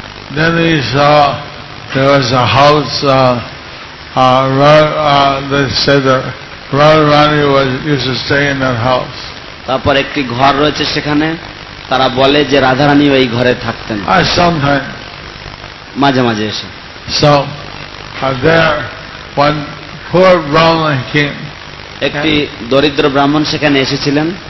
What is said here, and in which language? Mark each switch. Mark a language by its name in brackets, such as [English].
[English] Then he saw there was a house they said that Radharani used to stay in that house. [Bangla] তারপর একটি ঘর রয়েছে সেখানে, তারা বলে যে রাধারানী ওই ঘরে থাকতেন. [English] Sometimes [Bangla] মাঝে মাঝে এসে. [English] So there one poor Brahmin came. [Bangla] একটি দরিদ্র ব্রাহ্মণ সেখানে এসেছিলেন.